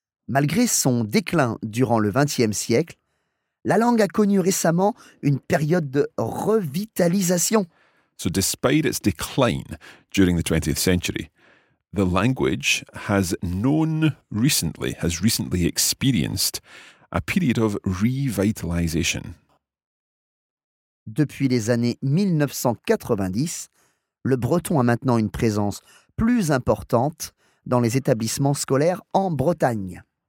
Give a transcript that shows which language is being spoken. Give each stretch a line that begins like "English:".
French: Malgré son déclin durant le XXe siècle, la langue a connu récemment une période de revitalisation.
English: So despite its decline during the 20th century, the language has recently experienced a period of revitalization.
French: Depuis les années 1990, le breton a maintenant une présence plus importante dans les établissements scolaires en Bretagne.